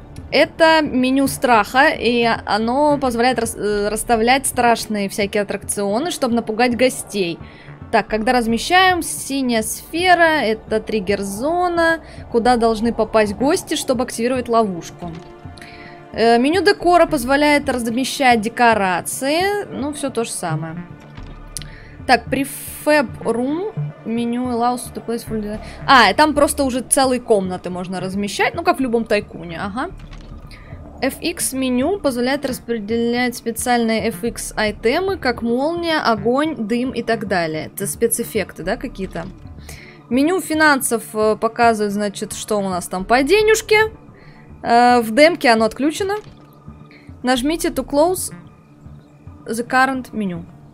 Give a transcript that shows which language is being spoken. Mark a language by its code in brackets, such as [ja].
[ru] Это меню страха, и оно позволяет расставлять страшные всякие аттракционы, чтобы напугать гостей. Так, когда размещаем, синяя сфера, это триггер-зона, куда должны попасть гости, чтобы активировать ловушку. Меню декора позволяет размещать декорации, ну, все то же самое. Так, [en] prefab room, [ru] меню [en] allows to place full... [ru] А, там просто уже целые комнаты можно размещать, ну, как в любом тайкуне, ага. FX меню позволяет распределять специальные FX айтемы, как молния, огонь, дым и так далее. Это спецэффекты, да, какие-то. Меню финансов показывает, значит, что у нас там по денежке. В демке оно отключено. Нажмите [en] to close the current menu.